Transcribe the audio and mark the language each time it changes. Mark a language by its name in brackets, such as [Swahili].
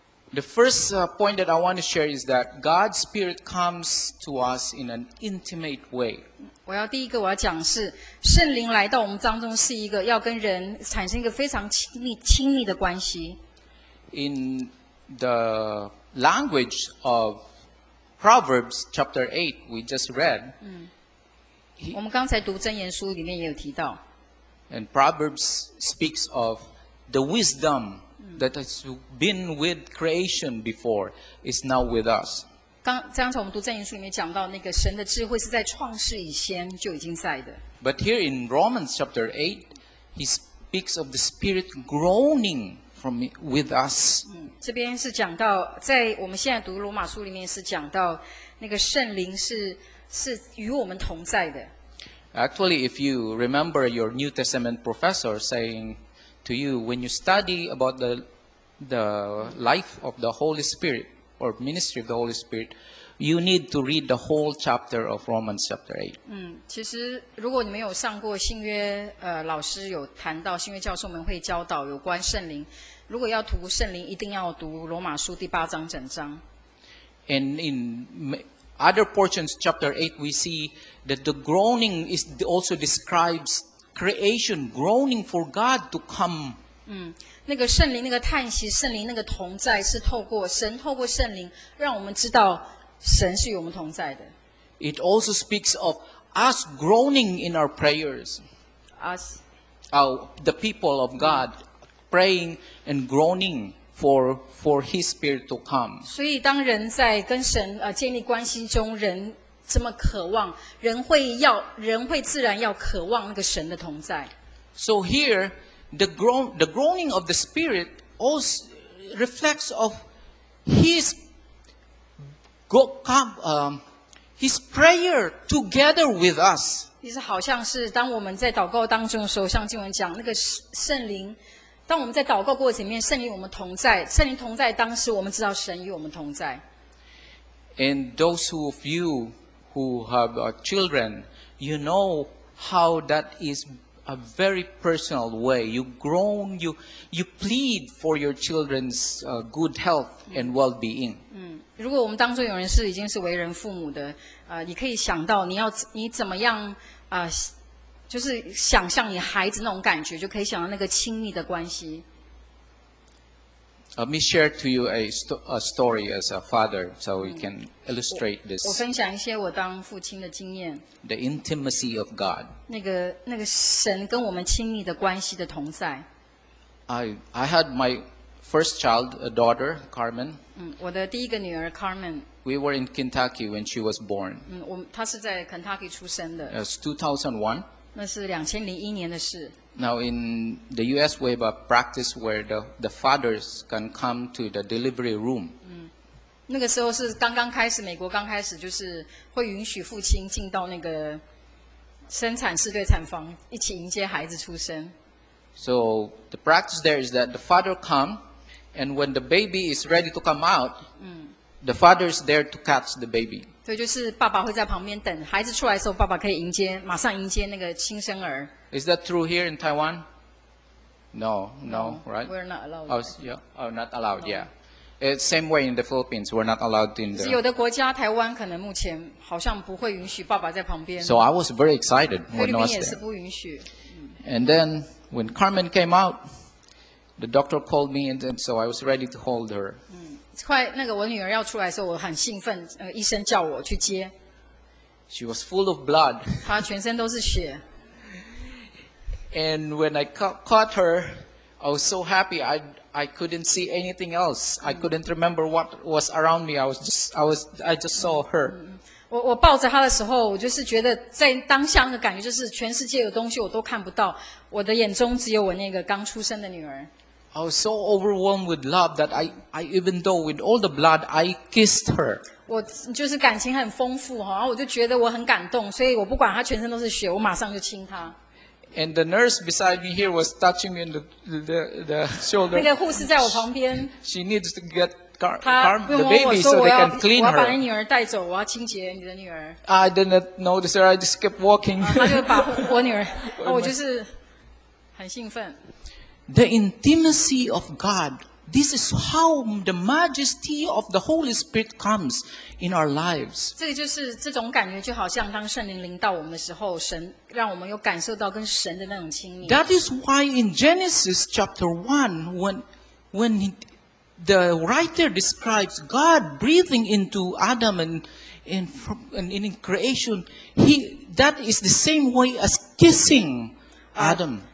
[English] The first point that I want to share is that God's Spirit comes to us in an intimate way. [Chinese] 我要第一个我要讲是圣灵来到我们当中是一个要跟人产生一个非常亲密的关系。 [English] In the language of Proverbs chapter 8, we just read. [Chinese] 我们刚才读箴言书里面也有提到。 [English] And Proverbs speaks of the wisdom that has been with creation before is now with us. [Chinese] 刚才我们读箴言书里面讲到那个神的智慧是在创世以前就已经在的。 [English] But here in Romans chapter 8, he speaks of the Spirit groaning from with us. [Chinese] 这边是讲到在我们现在读罗马书里面是讲到那个圣灵是与我们同在的。 [English] Actually, if you remember your New Testament professor saying,to you when you study about the life of the Holy Spirit or ministry of the Holy Spirit, you need to read the whole chapter of Romans chapter 8. [Chinese] 其实如果你们有上过新约，老师有谈到新约教授们会教导有关圣灵，如果要读圣灵，一定要读罗马书第八章整章。 [English] And in other portions, chapter 8, we see that the groaning is also describes. Creation groaning for God to come. [Chinese] 那个圣灵那个叹息，圣灵那个同在，是透过神，透过圣灵，让我们知道神是与我们同在的。 [English] It also speaks of us groaning in our prayers. Us, the people of God, praying and groaning for His Spirit to come. [Chinese] 所以，当人在跟神建立关系中，人。这么渴望，人会自然要渴望那个神的同在。 [English] So here, the groaning of the Spirit also reflects of His prayer together with us. [Chinese] 其实好像是当我们在祷告当中的时候，像经文讲那个圣灵，当我们在祷告过程里面，圣灵与我们同在，圣灵同在当时，我们知道神与我们同在。 [English] And those who of you. Who have children, you know how that is a very personal way. You groan, you plead for your children's good health and well-being. [Chinese] 如果我们当中有人是已经是为人父母的，你可以想到你怎么样就是想象你孩子那种感觉，就可以想到那个亲密的关系。 [English] Let me share to you a story as a father, so we can illustrate this. [Chinese] 我分享一些我当父亲的经验。 [English] The intimacy of God. [Chinese] 那个神跟我们亲密的关系的同在。 [English] I had my first child, a daughter, Carmen. [Chinese] 我的第一个女儿 Carmen. [English] We were in Kentucky when she was born. [Chinese] 她是在 Kentucky 出生的。 [English] It's 2001. [Chinese] 那是2001年的事。 [English] Now in the U.S. we have a practice where the fathers can come to the delivery room. [Chinese] 嗯，那个时候是刚刚开始，美国刚开始就是会允许父亲进到那个生产室对产房一起迎接孩子出生。 [English] So the practice there is that the father come, and when the baby is ready to come out, the father is there to catch the baby. [Chinese] 所以就是爸爸会在旁边等孩子出来的时候，爸爸可以迎接，马上迎接那个新生儿。 [English] Is that true here in Taiwan? No, right? We're not allowed. Not allowed. No. Yeah. It's same way in the Philippines. We're not allowed in the. [Chinese] 有的国家，台湾可能目前好像不会允许爸爸在旁边。 [English] So I was very excited when I was there. [Chinese] 也是不允许。 [English] And then when Carmen came out, the doctor called me, and then so I was ready to hold her. [Chinese] 快，那个我女儿要出来的时候，我很兴奋。医生叫我去接。 [English] She was full of blood. [Chinese] 她全身都是血。 [English] And when I caught her, I was so happy. I couldn't see anything else. I couldn't remember what was around me. I just saw her. [Chinese] 我抱着她的时候，我就是觉得在当下的感觉就是全世界的东西我都看不到，我的眼中只有我那个刚出生的女儿。 [English] I was so overwhelmed with love that I even though with all the blood, I kissed her. [Chinese] 我就是感情很丰富哈，然后我就觉得我很感动，所以我不管她全身都是血，我马上就亲她。 [English] And the nurse beside me here was touching me in the shoulder. [Chinese] 那个护士在我旁边。 [English] She needs to get the baby so they can clean her. [Chinese] 我要把你女儿带走，我要清洁你的女儿。 [English] I didn't notice her. I just kept walking. [Chinese] 她就把我女儿，我就是很兴奋。 [English] The intimacy of God. This is how the majesty of the Holy Spirit comes in our lives. [Chinese] 这个就是这种感觉，就好像当圣灵临到我们的时候，神让我们有感受到跟神的那种亲密。 [English] That is why in Genesis chapter 1, when the writer describes God breathing into Adam and in creation, that is the same way as kissing Adam.